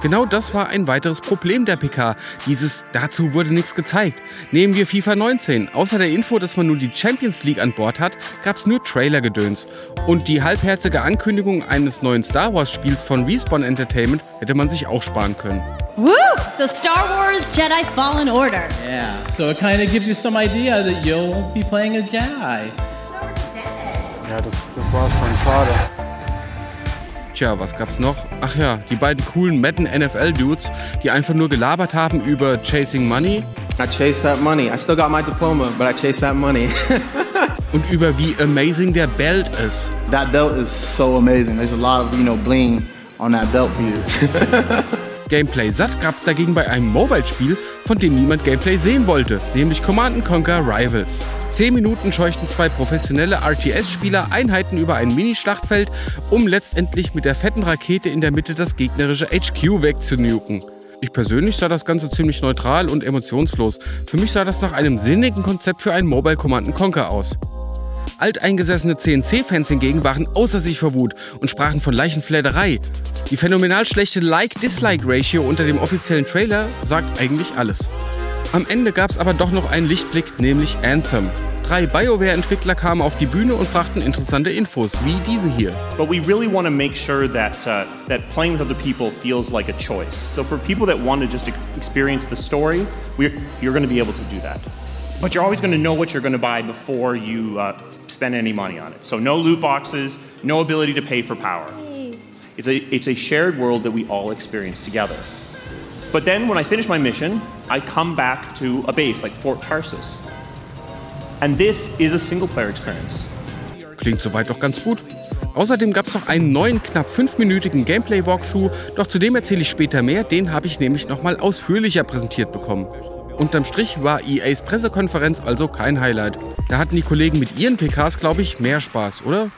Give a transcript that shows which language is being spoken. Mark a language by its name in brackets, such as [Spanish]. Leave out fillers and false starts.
[German] Genau das war ein weiteres Problem der PK. Dieses dazu wurde nichts gezeigt. Nehmen wir FIFA 19. Außer der Info, dass man nun die Champions League an Bord hat, gab es nur Trailer-Gedöns. Und die halbherzige Ankündigung eines neuen Star Wars-Spiels von Respawn Entertainment hätte man sich auch sparen können. [English] Woo! So Star Wars Jedi Fallen Order. Yeah, so it kind of gives you some idea that you'll be playing a Jedi. [German] Ja, das war schon schade. Tja, was gab's noch? Ach ja, die beiden coolen Madden-NFL-Dudes, die einfach nur gelabert haben über [English] Chasing Money. I chase that money. I still got my diploma, but I chase that money. [German] Und über wie amazing der Belt ist. [English] That belt is so amazing. There's a lot of, you know, bling on that belt for you. [German] Gameplay satt gab's dagegen bei einem Mobile-Spiel, von dem niemand Gameplay sehen wollte, nämlich Command & Conquer Rivals. 10 Minuten scheuchten zwei professionelle RTS-Spieler Einheiten über ein Mini-Schlachtfeld, um letztendlich mit der fetten Rakete in der Mitte das gegnerische HQ wegzunuken. Ich persönlich sah das Ganze ziemlich neutral und emotionslos. Für mich sah das nach einem sinnigen Konzept für einen Mobile Command & Conquer aus. Alteingesessene CNC-Fans hingegen waren außer sich vor Wut und sprachen von Leichenfledderei. Die phänomenal schlechte Like-Dislike-Ratio unter dem offiziellen Trailer sagt eigentlich alles. Am Ende gab es aber doch noch einen Lichtblick, nämlich Anthem. Drei BioWare-Entwickler kamen auf die Bühne und brachten interessante Infos, wie diese hier. [English] But we really want to make sure that that playing with other people feels like a choice. So for people that want to just experience the story, you're going to be able to do that. But you're always going to know what you're going to buy before you spend any money on it. So no loot boxes, no ability to pay for power. It's a shared world that we all experience together. But then when I finish my mission, I come back to a base like Fort Tarsus. And this is a single player experience. [German] Klingt soweit doch ganz gut. Außerdem gab es noch einen neuen, knapp 5-minütigen Gameplay-Walkthrough, doch zu dem erzähle ich später mehr, den habe ich nämlich nochmal ausführlicher präsentiert bekommen. Unterm Strich war EAs Pressekonferenz also kein Highlight. Da hatten die Kollegen mit ihren PKs, glaube ich, mehr Spaß, oder?